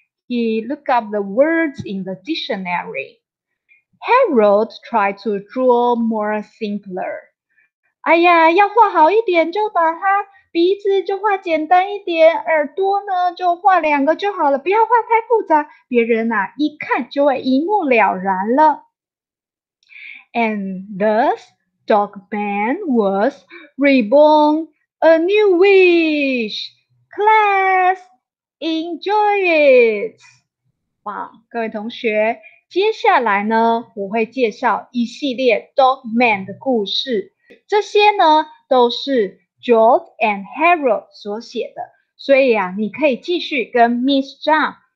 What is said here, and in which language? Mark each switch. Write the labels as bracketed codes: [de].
[en] He looked up the words in the dictionary. Harold tried to draw more simpler. [zh] 哎呀，要画好一点就把它鼻子就画简单一点，耳朵呢就画两个就好了，不要画太复杂，别人啊一看就会一目了然了。 [en] And thus, Dog Man was reborn a new wish. Class, enjoy it. [zh] 哇，各位同学，接下来呢，我会介绍一系列 Dog Man 的故事，这些呢都是George and Harold 所写的，所以啊，你可以继续跟 Miss Zhang